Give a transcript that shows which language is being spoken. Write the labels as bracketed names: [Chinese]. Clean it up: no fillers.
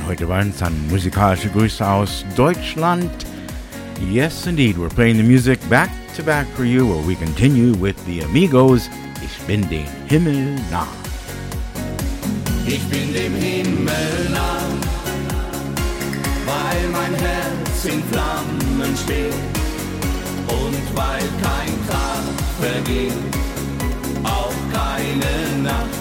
[German] Heute waren es dann musikalische Grüße aus Deutschland. [English] Yes, indeed, we're playing the music back to back for you while we continue with the Amigos. [German] Ich bin dem Himmel nah. Ich bin dem Himmel nah. Ich bin dem Himmel nah. Was weil mein Herz in Flammen steht und weil kein Tag vergeht, auch keine Nacht.